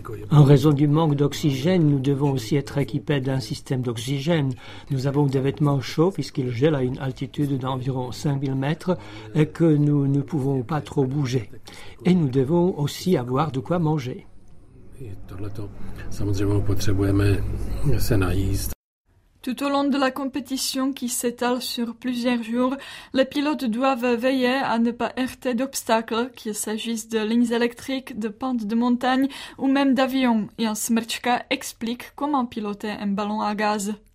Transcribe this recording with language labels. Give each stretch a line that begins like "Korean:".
French: En raison du manque d'oxygène, nous devons aussi être équipés d'un système d'oxygène. Nous avons des vêtements chauds puisqu'ils gèlent à une altitude d'environ 5000 mètres et que nous ne pouvons pas trop bouger. Et nous devons aussi avoir de quoi manger.
Czech: Tohleto samozřejmě potřebujeme se najíst.
French: Tout au long de la compétition qui s'étale sur plusieurs jours, les pilotes doivent veiller à ne pas heurter d'obstacles, qu'il s'agisse de lignes électriques, de pentes de montagne ou même d'avions. Jan Smrčka explique comment piloter un ballon à gaz.